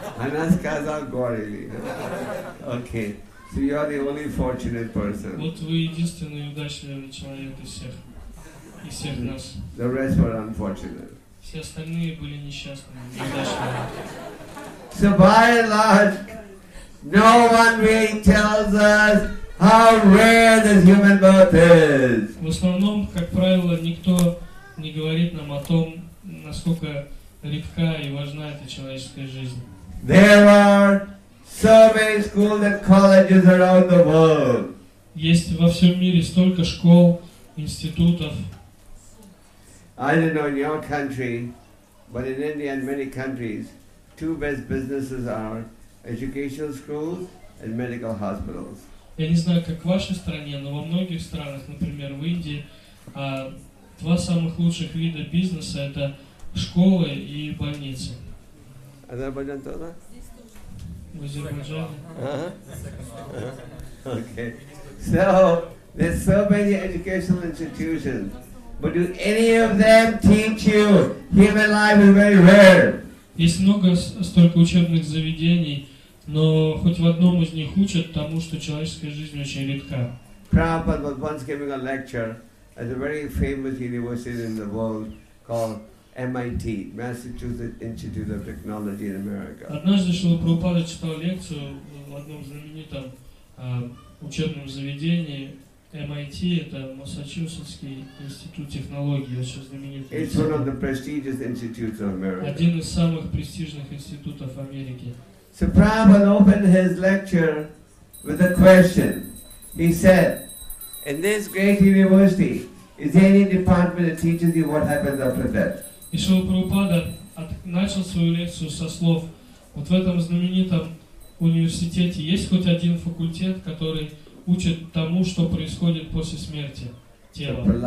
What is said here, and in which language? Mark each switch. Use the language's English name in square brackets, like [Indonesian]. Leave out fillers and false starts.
[English] Anaskas are gorily. Okay. So you are the only fortunate person. [Russian] Вот вы единственный удачливый человек из всех. Из всех нас. [English] The rest were unfortunate. [Russian] Все остальные были несчастными, неудачными. [English] So by and large, no one really tells us how rare this human birth is. [Russian] В основном, как правило, никто не говорит нам о том, насколько редка и важна эта человеческая жизнь. [English] There are so many schools and colleges around the world. [Russian] Есть во всем мире столько школ, институтов. [English] I don't know in your country, but in India and many countries, two best businesses are educational schools and medical hospitals. [Russian] Я не знаю, как в вашей стране, но во многих странах, например, в Индии, два самых лучших вида бизнеса это школы и больницы. Азербайджан тоже? Здесь тоже. В Азербайджане. [English] Okay. So there's so many educational institutions. But do any of them teach you human life is very rare? [Russian] Есть много столько учебных заведений, но хоть в одном из них учат тому, что человеческая жизнь очень редка. [English] Prabhupada was once giving a lecture at a very famous university in the world called MIT, Massachusetts Institute of Technology in America. [Russian] Однажды Шрила Прабхупада читал лекцию в одном знаменитом учебном заведении. MIT это Массачусетский институт технологий, очень знаменитый. [English] It's one of the prestigious institutes of America. [Russian] Один из самых престижных институтов Америки. [English] So Prabhupada opened his lecture with a question. He said, "In this great university, is there any department that teaches you what happens after death?" [Russian] И Шрила Прабхупада начал свою лекцию со слов: "Вот в этом знаменитом университете есть хоть один факультет, который учит тому, что происходит после смерти тела."